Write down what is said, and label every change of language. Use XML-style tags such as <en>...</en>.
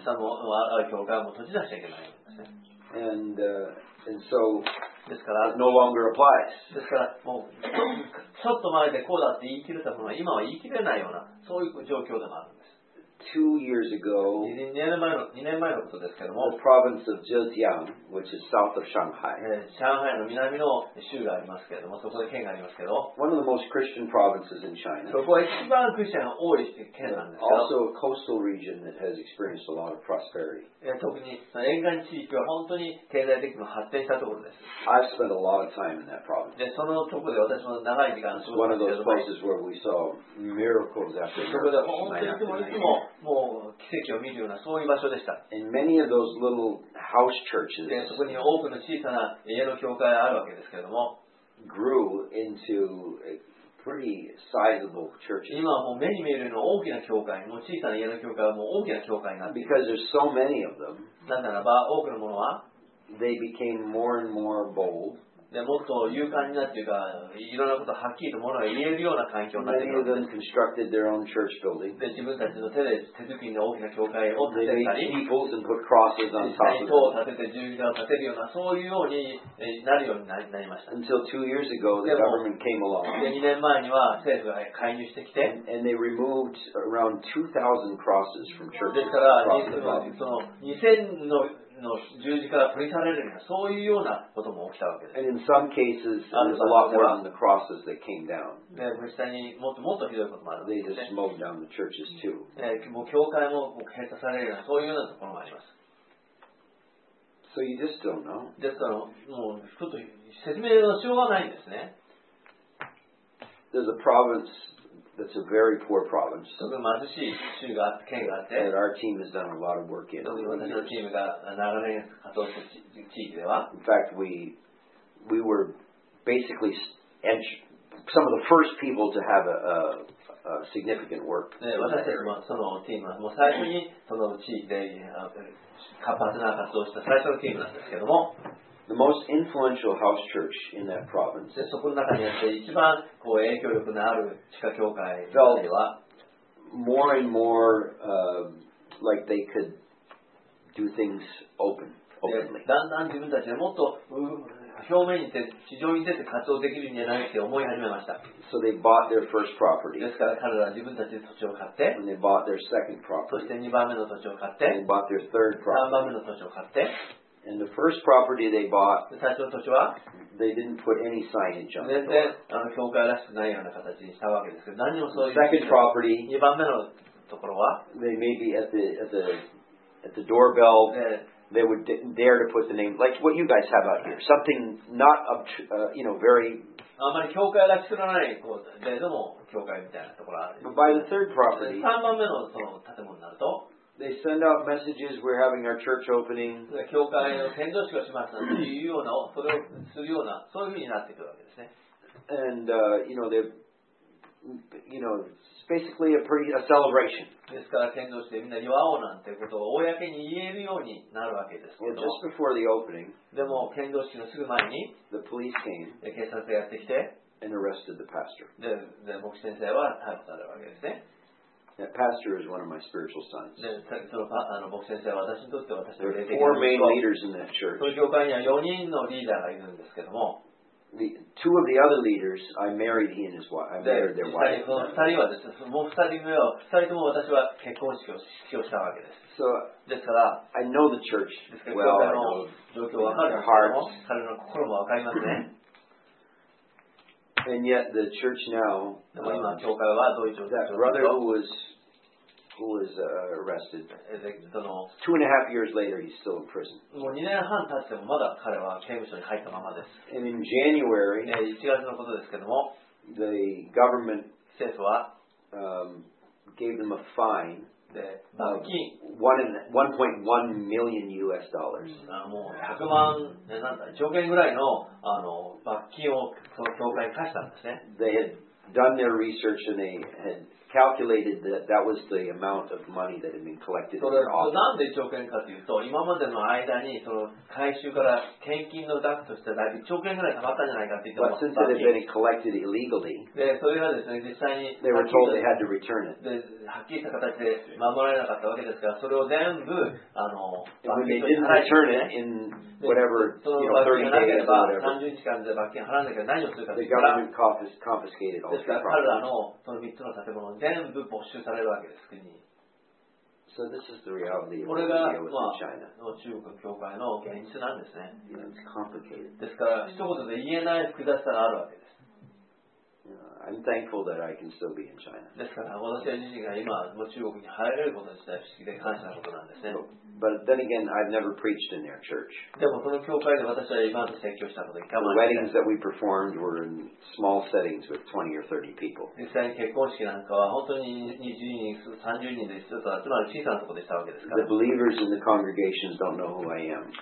<en>Some are,</en> <ja>教会も閉じ出しちゃいけない。</ja> <en>And so,</en> <ja>ですから、</ja> <en>no longer applies.</en> <ja>ですから、もう、ちょっと前でこうだって言い切れたものは、今は言い切れないような、そういう状況でもあるんです。</ja> <en>2 years ago,</en> <ja>2年前のことですけども、</ja> <en>the province of Zhejiang, which is south of Shanghai.</en> <ja>上海の南の州がありますけども、そこで県がありますけど、</ja> <en>one of the most Christian provinces in China.</en> <ja>そこは一番クリスチャンが多い県なんですよ。</ja> <en>Also a coastal region that has experienced a lot of prosperity.</en> <ja>特に沿岸地域は本当に経済的にも発展したところです。</ja> <en>I've spent a lot of time in that province.</en> <ja>で、そのところで私も長い時間過ごしましたけども、</ja> <en>one of those places where we saw miracles after miracles.</en> <ja>そこで本当にいつもいつも。もう奇跡を見るようなそういう場所でした。</ja> <en>And many of those little house churches,</en> <ja>でそこに多くの小さな家の教会があるわけですけれども、</ja> <en>grew into a pretty sizable churches.</en> <ja>今はもう目に見えるような大きな教会、もう小さな家の教会はもう大きな教会になって、</ja> <en>because there's so many of them,</en> <ja>なんならば多くのものは、</ja> <en>they became more and more bold.</en> <ja>でもっと勇敢になっていうか、いろんなことをはっきりとものが言えるような環境になっているんです。で、自分たちの手作りの大きな教会を建てたり、実際に塔を建てて十字架を建てるような、そういうようになるようになりました。</ja> <en>Until 2 years ago, the government came along.</en> <ja>で、2年前には政府が介入してきて、</ja> <en>and they removed around 2,000 crosses from churches.</en> <ja>ですから、その2000のの十字架が取り去られるような、そういうようなことも起きたわけです。</ja> <en>And in some cases, there's a lot more on the crosses that came down.</en> <ja>で、もしたにもっともっとひどいこともあるんですね。</ja> <en>They just smoked down the churches too.</en> <ja>もう教会も閉鎖されるような、そういうようなところもあります。</ja> <en>So you just don't know.</en> <ja>ですから、もうちょっと説明のしようがないんですね。</ja> <en>There's a province. That's a very poor province.</en> <ja>すごく貧しい州があって、県があって。</ja> <en>That our team has done a lot of work in.</en> <ja>私のチームが長年活動した地域では。</ja> <en>In fact, we were basically some of the first people to have a significant work.</en> <ja>私たちもそのチームは、もう最初にその地域で活発な活動した最初のチームなんですけども。</ja> <en>The most influential house church in that province.</en> <ja>そこの中にあって一番こう影響力のある地下教会では、</ja> <en>more and more, like they could do things openly.</en> <ja>だんだん自分たちでもっと表面に出て、地上に出て活動できるんじゃないって思い始めました。</ja> <en>So they bought their first property.</en> <ja>ですから彼らは自分たちで土地を買って、</ja> <en>and they bought their second property.</en> <ja>そして2番目の土地を買って、</ja> <en>and they bought their third property.</en> <ja>3番目の土地を買って、</ja> <en>And the first property they bought,</en> <ja>最初の土地は、</ja> <en>they didn't put any signage on it.</en> <ja>全然あの教会らしくないような形にしたわけですけど、何をそういう。</ja> <en>Second property,</en> <ja>2番目のところは、</ja> <en>they maybe at the doorbell, they would dare to put the name, like what you guys have out here, something not of, you know, very.</en> <ja>あまり教会らしくない、こう、でも教会みたいなところある。</ja> <en>But by the third property,</en> <ja>3番目のその建物になると、</ja> <en>They send out messages. We're having our church opening.</en> <ja>教会の宣教師がしますなんていうような、それをするような、そういうふうになってくるわけですね。</ja> <en>And you know, they, you know, it's basically a celebration.</en> <ja>ですから宣教師でみんな祝おうなんてことを公に言えるようになるわけですけど。</ja> <en>Well, just before the opening,</en> <ja>でも宣教師のすぐ前に、</ja> <en>the police came.</en> <ja>で、警察がやってきて、</ja> <en>and arrested the pastor.</en> <ja>で、牧師先生は逮捕されるわけですね。</ja> <en>That pastor is one of my spiritual sons. There are four main leaders in that church.</en> <ja>その教会には4人のリーダーがいるんですけども。</ja> <en>Two of the other leaders, I married he and his wife. I married their wife.</en> <ja>もう2人目は、2人とも私は結婚式をしたわけです。</ja> <en>So,</en> <ja>ですから、</ja> <en>I know the church well.</en> <ja>ですから、教会の状況は分かるんですけども、彼の心も分かりますね。</ja> <en>And yet the church now, that brother who was arrested, 2.5 years later he's still in prison.</en> <ja>もう2年半経ってもまだ彼は刑務所に入ったままです。</ja> <en>And in January,</en> <ja>1月のことですけども、</ja> <en>the government</en> <ja>政府は、</ja> <en>gave them a fine.</en> <ja>で、罰金。</ja> <en>$1.1 million.</en> <ja>もう100万、なんだ、上限ぐらいの、罰金をその教会に課したんですね。</ja> <en>They had done their research and they had calculated that that was the amount of money that had been collected in their office.</en> <ja>なんで1億円かというと、今までの間にその回収から献金の額として大体1億円ぐらい貯まったんじゃないかって言ってました。</ja> <en>But since it had been collected illegally,</en> <ja>でそれはですね、実際に</ja> <en>they were told they had to return it.</en> <ja>はっきりした形で守られなかったわけですから、それを全部あの、</ja> <en>when they didn't return it in whatever, you know, 30 days or whatever,</en> <ja>30日間で罰金払わなきゃ何をするかというと、</ja> <en>the government confiscated all the property.</en> <ja>ですから彼らのその3つの建物を全部没収されるわけです、国に。</ja> <en>So this is the reality</en> <ja>これが、まあ、中国教会の現実なんですね。</ja> <en>You know, it's complicated.</en> <ja>ですから、一言で言えない複雑さがあるわけです。</ja> <en>I'm thankful that I can still be in China.</en> <ja>ですから、私自身が今、もう中国に入れること自体、不思議で感謝なことなんですね。</ja> <en>But then again, I've never preached in their church.</en> <ja>でもこの教会で私は今まで説教したことは一回もない。</ja> <en>The weddings that we performed were in small settings with 20 or 30 people.</en> <ja>実際に結婚式なんかは本当に20人、30人で一つ集まる小さなところでしたわけですから。</ja> <en>The believers in the congregations don't know who I am.</en>